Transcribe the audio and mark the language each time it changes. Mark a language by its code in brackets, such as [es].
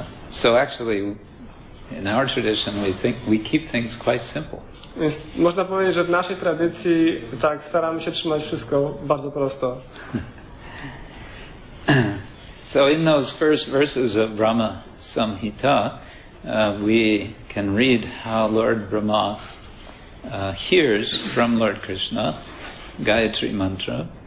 [en] So actually, in our tradition, we think we keep things quite simple. [pl] Więc można powiedzieć, że w naszej tradycji tak staramy się trzymać wszystko bardzo prosto. [en] So in those first verses of Brahma Samhita, we can read how Lord Brahma hears from Lord Krishna Gayatri Mantra.